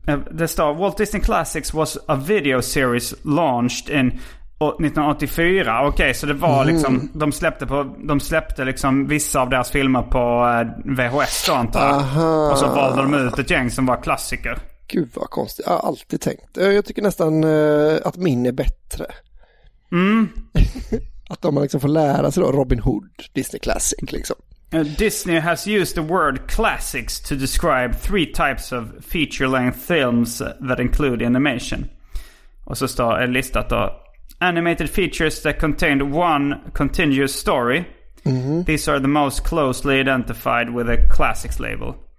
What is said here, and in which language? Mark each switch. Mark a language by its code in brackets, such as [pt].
[sv] Det står [en] Walt Disney Classics was a video series launched in 1984. [sv] Okej, okay, så det var liksom de släppte liksom vissa av deras filmer på VHS då, antar jag. Aha. Och så valde de ut ett gäng som var klassiker. Gud vad konstigt. Jag har alltid tänkt. Jag tycker nästan att min är bättre. Mm. Att de liksom får lära sig då Robin Hood Disney Classic liksom. [en] Disney has used the word classics to describe three types of feature-length films that include animation. [sv] Och så står en lista då. [en] Animated features that contained one continuous story. Mm-hmm. These are the most closely identified with a classics label.